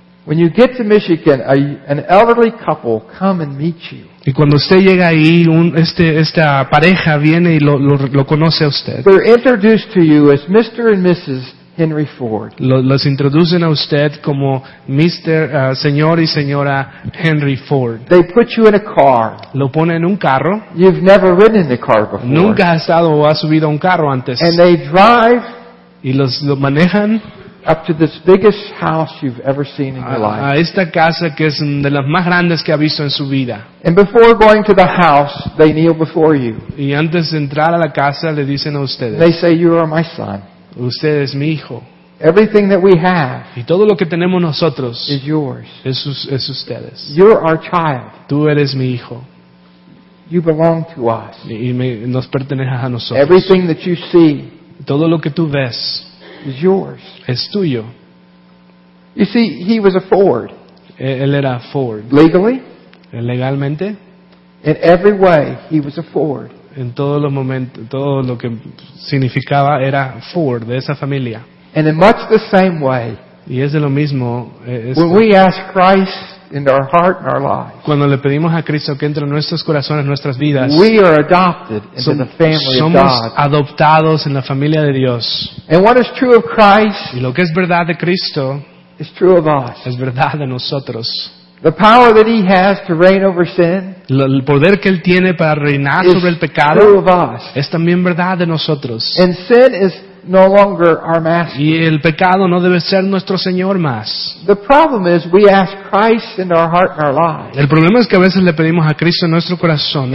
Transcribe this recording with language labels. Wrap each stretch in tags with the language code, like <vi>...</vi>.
<en>When you get to Michigan, an elderly couple come and meet you.</en> <es>Y cuando usted llega ahí, esta pareja viene y lo conoce a usted.</es> <en>They're introduced to you as Mr. and Mrs. Henry Ford.</en> <es>Los introducen a usted como señor y señora Henry Ford.</es> <en>They put you in a car.</en> <es>Lo ponen en un carro.</es> <en>You've never ridden in a car before.</en> <es>Nunca ha subido a un carro antes.</es> <en>And they drive.</en> <es>Y lo manejan.</es> <en>Up to this biggest house you've ever seen in your life.</en> <es>A esta casa que es de las más grandes que ha visto en su vida.</es> <en>And before going to the house, they kneel before you.</en> <es>Y antes de entrar a la casa le dicen a ustedes.</es> <en>They say, "You are my son."</en> <es>Usted es mi hijo.</es> <en>Everything that we have.</en> <es>Y todo lo que tenemos nosotros.</es> <en>Is yours.</en> <es>Es ustedes.</es> <en>You're our child.</en> <es>Tú eres mi hijo.</es> <en>You belong to us.</en> <es>Y nos perteneces a nosotros.</es> <en>Everything that you see.</en> <es>Todo lo que tú ves.</es> <en>Is yours.</en> <es>Es tuyo.</es> <en>You see, he was a Ford.</en> <es>Él era Ford.</es> <en>Legally.</en> <es>Legalmente.</es> <en>In every way, he was a Ford.</en> <es>En todos los momentos, todo lo que significaba era Ford de esa familia.</es> <en>And in much the same way.</en> <es>Y es de lo mismo.</es> <en>When we ask Christ into our heart and our lives.</en> <es>Cuando le pedimos a Cristo que entre en nuestros corazones, nuestras vidas.</es> <en>We are adopted into the family of God.</en> <es>Somos adoptados en la familia de Dios.</es> <en>And what is true of Christ?</en> <es>Y lo que es verdad de Cristo</es> <en>is true of us.</en> <es>Es verdad de nosotros.</es> <en>The power that he has to reign over sin.</en> <es>El poder que él tiene para reinar sobre el pecado es también verdad de nosotros.</es> <en>And sin is no longer our master.</en> <es>Y el pecado no debe ser nuestro señor más.</es> <en>The problem is we ask Christ in our heart and our lives.</en> <es>El problema es que a veces le pedimos a Cristo en nuestro corazón.</es>